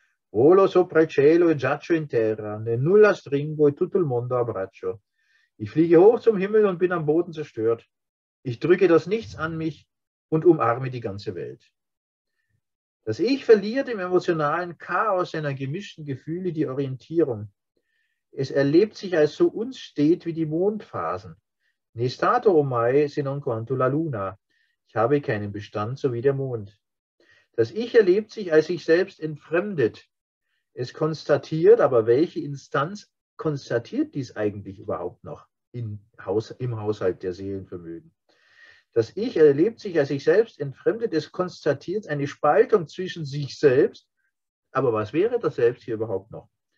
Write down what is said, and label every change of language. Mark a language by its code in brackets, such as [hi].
[it] Volo sopra il cielo e giaccio in terra, ne nulla stringo e tutto il mondo abbraccio. [de] Ich fliege hoch zum Himmel und bin am Boden zerstört. Ich drücke das Nichts an mich und umarme die ganze Welt. Das Ich verliert im emotionalen Chaos seiner gemischten Gefühle die Orientierung. Es erlebt sich als so unstet wie die Mondphasen. [it] Ne stato ormai se non quanto la luna. [de] Ich habe keinen Bestand, so wie der Mond. Das Ich erlebt sich als sich selbst entfremdet. Es konstatiert, aber welche Instanz konstatiert dies eigentlich überhaupt noch im Haushalt der Seelenvermögen? Das Ich erlebt sich als sich selbst entfremdet. Es konstatiert eine Spaltung zwischen sich selbst, aber was wäre das Selbst hier überhaupt noch?